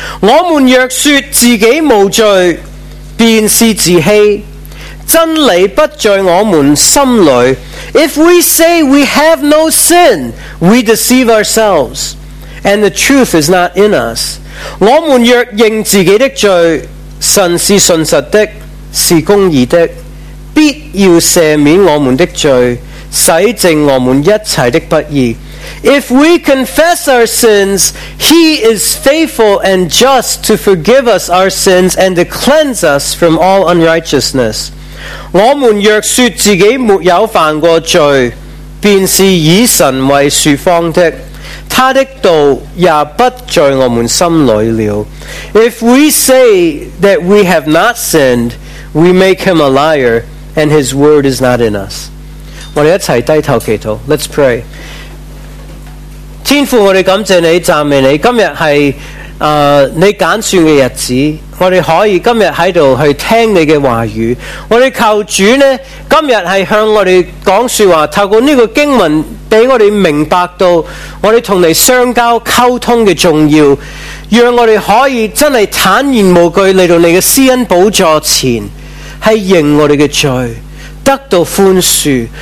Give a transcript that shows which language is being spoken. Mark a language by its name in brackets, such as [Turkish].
[Chinese] 我们若说自己无罪，便是自欺，真理不在我们心里。 [English] If we say we have no sin, we deceive ourselves. And the truth is not in us. [Chinese] 我们若认自己的罪，神是信实的，是公义的，必要赦免我们的罪，洗净我们一切的不义。 [English] If we confess our sins, he is faithful and just to forgive us our sins and to cleanse us from all unrighteousness. [Chinese] 我们若说自己没有犯过罪，便是以神为说谎的，他的道也不在我们心里了。 [English] If we say that we have not sinned, we make him a liar, and his word is not in us. [Chinese] 我们一起低头祈祷。 [English] Let's pray. [Chinese] 天父，我们感谢你，赞美你。今天是你拣选的日子，我们可以今天在这里去听你的话语。我们求主呢，今天是向我们讲说话，透过这个经文给我们明白到我们同你相交沟通的重要，让我们可以真的坦然无惧来到你的施恩宝座前，是认我们的罪得到宽恕。